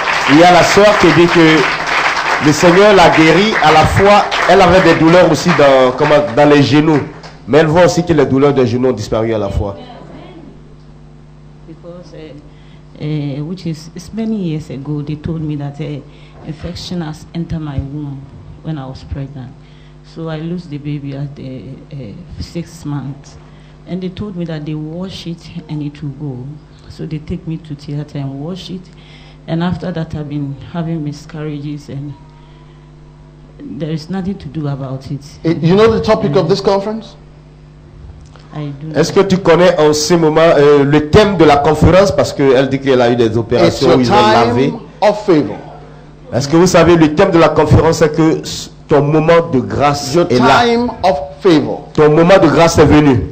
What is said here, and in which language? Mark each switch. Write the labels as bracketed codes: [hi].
[fr] Il y a la sœur qui dit que le Seigneur l'a guérie à la fois. Elle avait des douleurs aussi dans les genoux. Mais elle voit aussi que les douleurs des genoux ont disparu à la fois. [en] Which is, it's many years ago, they told me that an infection has entered my womb when I was pregnant. So I lost the baby at the 6 months. And they told me that they wash it and it will go. So they take me to theater and wash it. And after that, I've been having miscarriages and there is nothing to do about it. You know the topic of this conference? [fr] Est-ce que tu connais en ce moment le thème de la conférence? Parce qu'elle dit qu'elle a eu des opérations où ils ont lavé. Est-ce que vous savez le thème de la conférence? C'est que ton moment de grâce [en] your [fr] est là. [en] Time of favor. [fr] Ton moment de grâce est venu.